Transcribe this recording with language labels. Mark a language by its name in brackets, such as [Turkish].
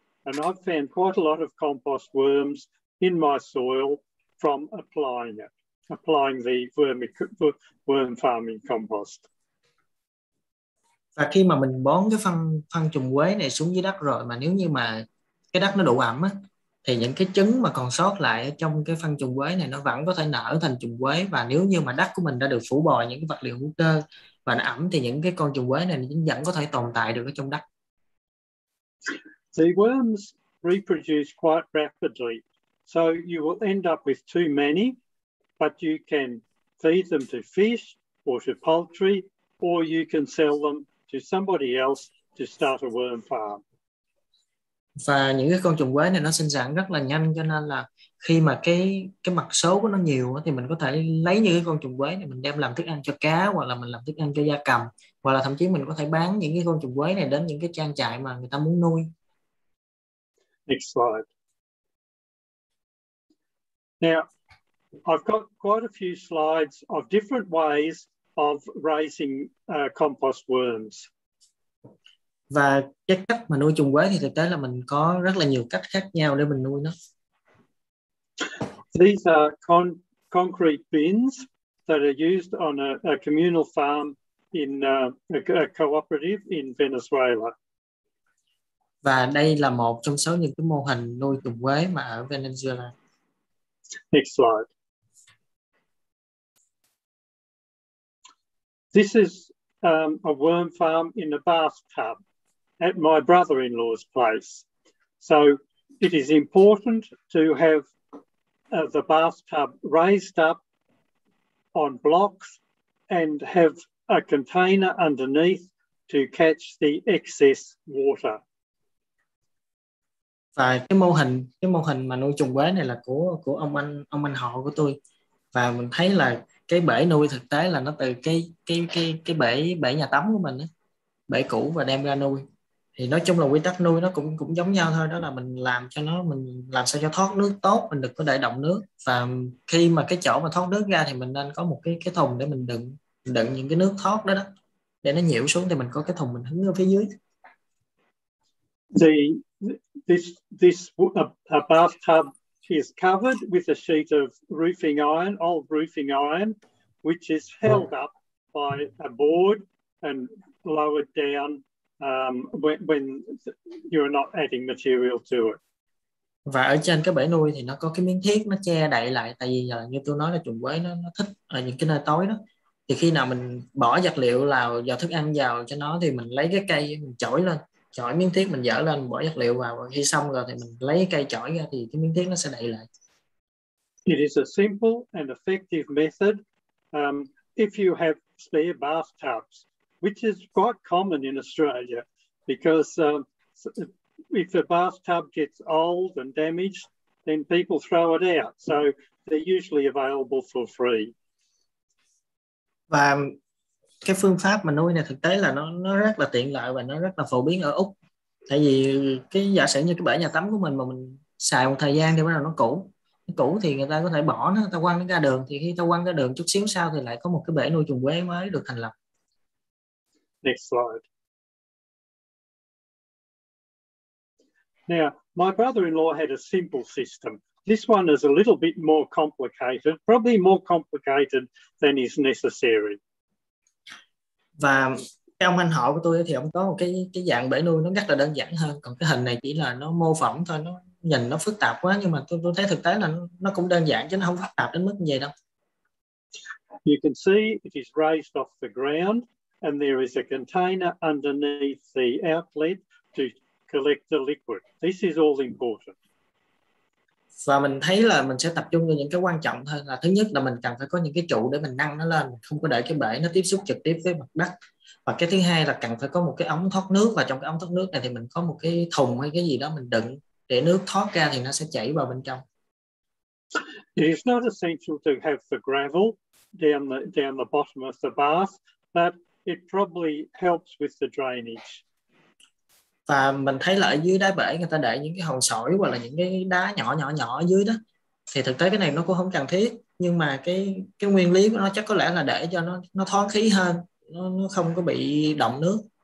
[English] And I've found quite a lot of compost worms in my soil from applying the worm farming compost. [Vietnamese] Và khi mà mình bón cái phân trùm quế này xuống dưới đất rồi mà nếu như mà cái đất nó đủ ẩm á, thì những cái trứng mà còn sót lại trong cái phân trùm quế này nó vẫn có thể nở thành trùm quế, và nếu như mà đất của mình đã được phủ bồi những cái vật liệu hữu cơ và nó ẩm thì những cái con trùm quế này vẫn có thể tồn tại được ở trong đất. [English] The worms reproduce quite rapidly, so you will end up with too many, but you can feed them to fish or to poultry, or you can sell them to somebody else to start a worm farm. [Vietnamese] Và những cái con trùm quế này nó sinh sản rất là nhanh, cho nên là khi mà cái mặt số của nó nhiều thì mình có thể lấy những cái con trùm quế này mình đem làm thức ăn cho cá, hoặc là mình làm thức ăn cho gia cầm, hoặc là thậm chí mình có thể bán những cái con trùm quế này đến những cái trang trại mà người ta muốn nuôi. [English] Next slide. Now, I've got quite a few slides of different ways of raising compost worms. [Vietnamese] Và cái cách mà nuôi trùm quế thì thực tế là mình có rất là nhiều cách khác nhau để mình nuôi nó. [English] These are concrete bins that are used on a communal farm in a cooperative in Venezuela. [Vietnamese] Và đây là một trong số những cái mô hình nuôi trùm quế mà ở Venezuela. [English] Next slide. This is a worm farm in a bathtub at my brother-in-law's place. So it is important to have the bathtub raised up on blocks and have a container underneath to catch the excess water. [Vietnamese] Và cái mô hình mà nuôi trùm quế này là của ông anh họ của tôi, và mình thấy là cái bể nuôi thực tế là nó từ cái bể nhà tắm của mình ấy, bể cũ và đem ra nuôi. Thì nói chung là quy tắc nuôi nó cũng giống nhau thôi, đó là mình làm sao cho thoát nước tốt, mình đừng có để động nước, và khi mà cái chỗ mà thoát nước ra thì mình nên có một cái thùng để mình đựng những cái nước thoát đó để nó nhiễu xuống, thì mình có cái thùng mình hứng ở phía dưới. Thì [English] this bathtub is covered with a sheet of roofing iron, old roofing iron, which is held up by a board and lowered down when you're not adding material to it. [Vietnamese] Và ở trên cái bể nuôi thì nó có cái miếng thiếc nó che đậy lại, tại vì là như tôi nói là trùm quế nó thích ở những cái nơi tối đó. Thì khi nào mình bỏ vật liệu vào thức ăn vào cho nó thì mình lấy cái cây mình chổi lên. Chổi miếng thiếc mình dỡ lên, bỏ vật liệu vào, khi xong rồi thì mình lấy cây chổi ra thì cái miếng thiếc nó sẽ đậy lại. [English] It is a simple and effective method if you have spare bathtubs, which is quite common in Australia, because if a bathtub gets old and damaged, then people throw it out. So they're usually available for free. [Vietnamese] Và cái phương pháp mà nuôi này thực tế là nó rất là tiện lợi và nó rất là phổ biến ở Úc. Tại vì cái giả sử như cái bể nhà tắm của mình mà mình xài một thời gian thì bắt đầu nó cũ thì người ta có thể bỏ nó, ta quăng nó ra đường, thì khi ta quăng ra đường chút xíu sau thì lại có một cái bể nuôi trùm quế mới được thành lập. [English] Next slide. Now, my brother-in-law had a simple system. This one is a little bit more complicated, probably more complicated than is necessary. [Vietnamese] Và cái ông anh họ của tôi thì ông có một cái dạng bể nuôi nó rất là đơn giản hơn, còn cái hình này chỉ là nó mô phỏng thôi, nó nhìn nó phức tạp quá, nhưng mà tôi thấy thực tế là nó cũng đơn giản chứ nó không phức tạp đến mức như vậy đâu. [English] You can see it is raised off the ground and there is a container underneath the outlet to collect the liquid. This is all important. [Vietnamese] Và mình thấy là mình sẽ tập trung vào những cái quan trọng hơn, là thứ nhất là mình cần phải có những cái trụ để mình nâng nó lên, không có để cái bể nó tiếp xúc trực tiếp với mặt đất. Và cái thứ hai là cần phải có một cái ống thoát nước, và trong cái ống thoát nước này thì mình có một cái thùng hay cái gì đó mình đựng để nước thoát ra thì nó sẽ chảy vào bên trong. [English] It's not essential to have the gravel down the bottom of the bath, but it probably helps with the drainage. [Vietnamese] Và mình thấy là ở dưới đáy bể người ta để những cái hòn sỏi hoặc là những cái đá nhỏ ở dưới đó, thì thực tế cái này nó cũng không cần thiết, nhưng mà cái nguyên lý của nó chắc có lẽ là để cho nó thoáng khí hơn, nó không có bị động nước.